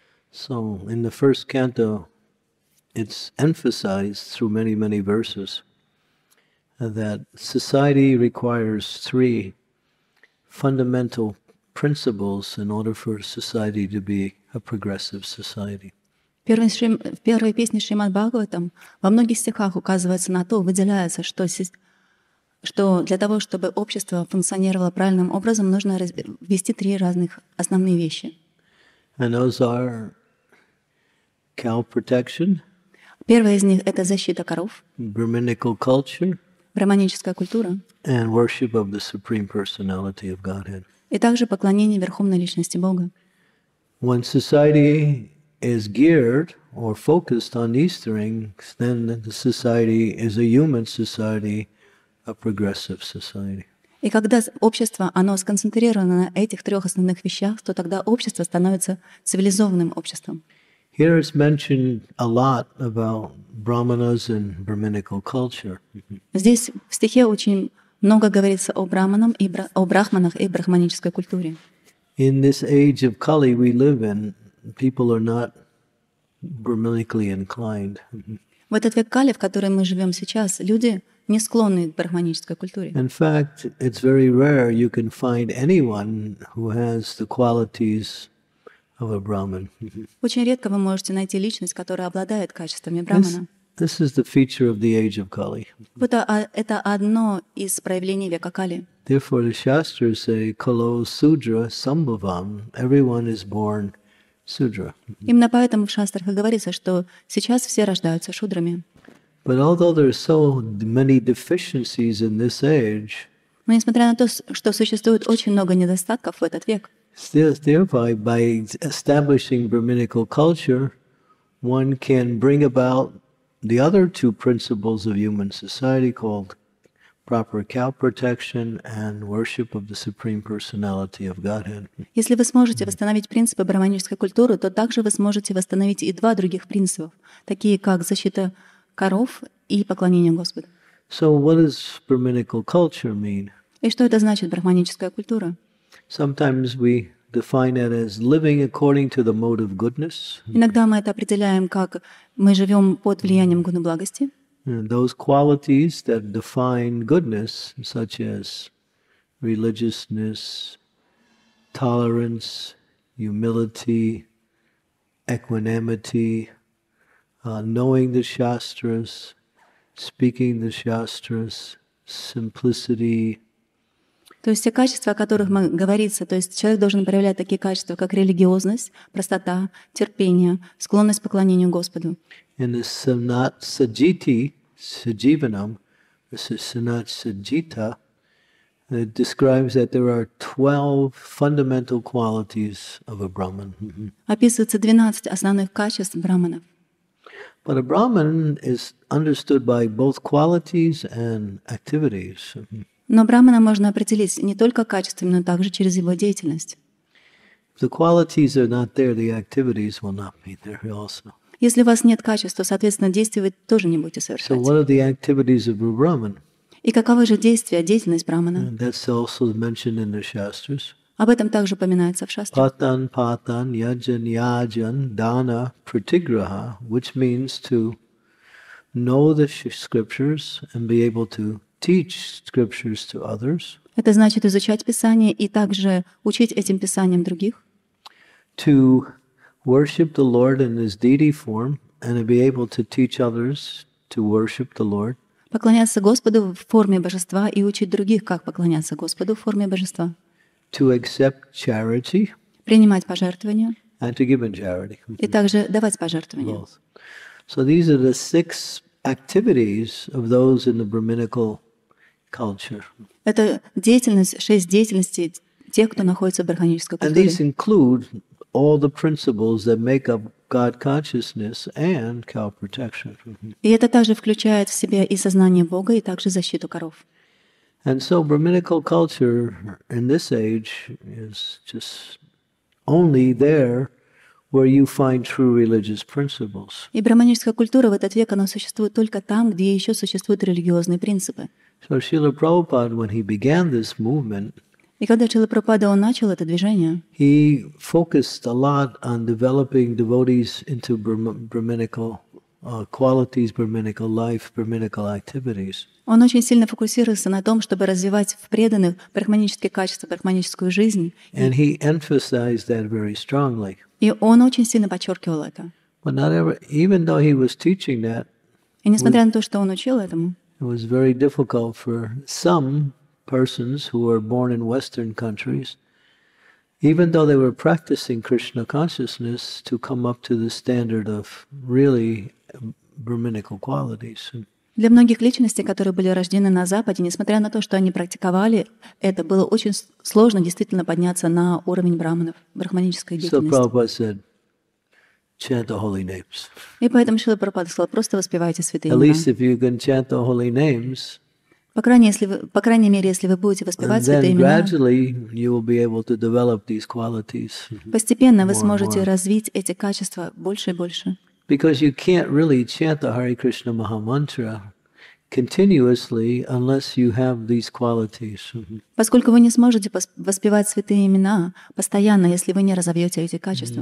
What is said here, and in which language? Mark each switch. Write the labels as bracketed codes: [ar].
[en] So, in the first canto, it's emphasized through many, many verses that society requires three fundamental principles in order for society to be a progressive society. [ru] В первой песне Шримад Бхагаватам во многих стихах указывается на то, выделяется, что что для того, чтобы общество функционировало правильным образом, нужно ввести три разных основные вещи. [en] And those are cow protection. [ru] Первая из них — это защита коров. [en] Brahminical culture. [ru] Брахманическая культура. [en] And worship of the Supreme Personality of Godhead. [ru] И также поклонение Верховной Личности Бога. [en] When society is geared or focused on these things, then the society is a human society. A progressive society. [ru] И когда общество, оно сконцентрировано на этих трех основных вещах, то тогда общество становится цивилизованным обществом. [en] Here is mentioned a lot about brahmanas and brahminical culture. [ru] Здесь в стихе очень много говорится о брахманам и о брахманах и брахманической культуре. [en] In this age of Kali we live in, people are not brahminically inclined. [ru] В этот век Кали, в котором мы живем сейчас, люди не склонны к брахманической культуре. [en] In fact, it's very rare you can find anyone who has the qualities of a brahman. [ru] Очень редко вы можете найти личность, которая обладает качествами брахмана. [en] This is the feature of the age of Kali. [ru] Это одно из проявлений века Кали. [en] Therefore, the shastras say, [sa] "Kalo sudra sambhavam." [en] Everyone is born sudra. [ru] Именно поэтому в шастрах говорится, что сейчас все рождаются шудрами. [en] But although there are so many deficiencies in this age, [ru] но несмотря на то, что существует очень много недостатков в этот век, [en] thereby by establishing brahminical culture, one can bring about the other two principles of human society called proper cow protection and worship of the Supreme Personality of Godhead. [ru] Если вы сможете восстановить принципы брахманической культуры, то также вы сможете восстановить и два других принципа, такие как защита коров и поклонение Господу. [en] So what does brahminical culture mean? [ru] И что это значит брахманическая культура? [en] Sometimes we define it as living according to the mode of goodness. [ru] Иногда мы это определяем как мы живем под влиянием гуны благости. [en] Those qualities that define goodness, such as religiousness, tolerance, humility, equanimity. Knowing the shastras, speaking the shastras, simplicity. [ru] То есть те качества, о которых мы говорится, то есть человек должен проявлять такие качества, как религиозность, простота, терпение, склонность к поклонению Господу. [en] In the sanat sajiti, sajivanam, this is sanat sajita, it describes that there are 12 fundamental qualities of a brahman. [ru] Описывается 12 основных качеств брахманов. [en] But a brahman is understood by both qualities and activities. [ru] Но брахмана можно определить не только качествами, но также через его деятельность. [en] The qualities are not there, the activities will not be there also. [ru] Если у вас нет качества, соответственно, действия вы тоже не будете совершать. [en] So what are the activities of a brahman? [ru] И каковы же действия, деятельность брахмана? [en] And that's also mentioned in the shastras. [ru] Об этом также упоминается в шастрах. [sa] Патан, патан, яджан, яджан, дана, притиграха, [en] which means to know the scriptures and be able to teach scriptures to others. [ru] Это значит изучать Писание и также учить этим Писаниям других. [en] To worship the Lord in His deity form and to be able to teach others to worship the Lord. [ru] Поклоняться Господу в форме Божества и учить других, как поклоняться Господу в форме Божества. [en] To accept charity, [ru] принимать пожертвования, [en] and to give in charity. [ru] И также давать пожертвования. [en] Both. So these are the six activities of those in the brahminical culture. [ru] Это деятельность, шесть деятельностей тех, кто находится в брахманической культуре. [en] And these include all the principles that make up God consciousness and cow protection. [ru] И это также включает в себя и сознание Бога, и также защиту коров. [en] And so Brahminical culture in this age is just only there where you find true religious principles. [ru] И брахманическая культура в этот век она существует только там, где еще существуют религиозные принципы. [en] So Srila Prabhupada, when he began this movement, [ru] и когда Шрила Прабхупада он начал это движение, [en] he focused a lot on developing devotees into Brahminical qualities, Brahminical life, Brahminical activities. [ru] Он очень сильно фокусировался на том, чтобы развивать в преданных брахманические качества, брахманическую жизнь. [en] And he emphasized that very strongly. [ru] И он очень сильно подчеркивал это. [en] But not ever, even though he was teaching that, [ru] и несмотря на то, что он учил этому, [en] it was very difficult for some persons who were born in Western countries, even though they were practicing Krishna consciousness, to come up to the standard of really brahminical qualities. [ru] Для многих личностей, которые были рождены на Западе, несмотря на то, что они практиковали, это было очень сложно действительно подняться на уровень брахманов, брахманической деятельности. [en] So Prabhupada said, chant the holy names. [ru] И поэтому Шрила Прабхупада сказал, просто воспевайте святые имена. [en] At least if you can chant the holy names, [ru] по крайней мере, если вы будете воспевать святые имена, [en] gradually you will be able to develop these qualities. [ru] Постепенно вы сможете развить эти качества больше и больше. [en] Because you can't really chant the Hare Krishna Maha Mantra continuously unless you have these qualities. [ru] Поскольку вы не сможете воспевать святые имена постоянно, если вы не разовьете эти качества.